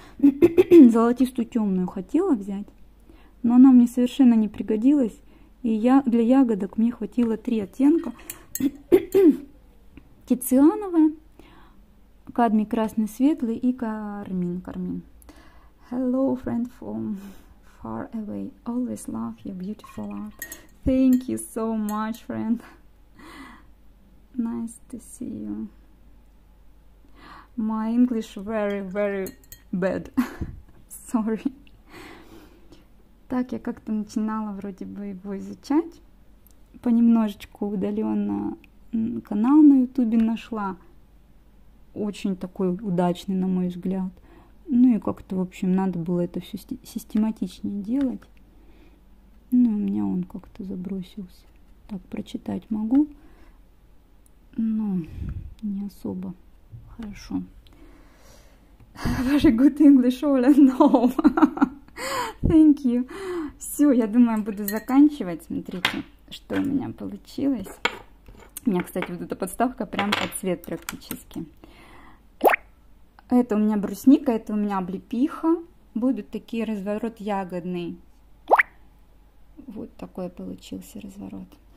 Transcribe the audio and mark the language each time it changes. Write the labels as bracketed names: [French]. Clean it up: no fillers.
[Russian] Золотистую темную хотела взять, но она мне совершенно не пригодилась. И я для ягодок мне хватило 3 оттенка. Тициановая, кадмий красный светлый и кармин. Кармин. [English] Hello, friend from far away. Always love your beautiful art. Thank you so much, friend. Nice to see you. My English very, very bad. Sorry. [Russian] Так, я как-то начинала вроде бы его изучать. Понемножечку удаленно канал на Ютубе нашла. Очень такой удачный, на мой взгляд. Ну и как-то, в общем, надо было это все систематичнее делать. Ну, у меня он как-то забросился. Так, прочитать могу. Но не особо хорошо. [English] Very good English, Оля, no. Thank you. [Russian] Все, я думаю, буду заканчивать. Смотрите, что у меня получилось. У меня, кстати, вот эта подставка прям под цвет практически. Это у меня брусника, это у меня облепиха. Будут такие разворот ягодный. Вот такой получился разворот.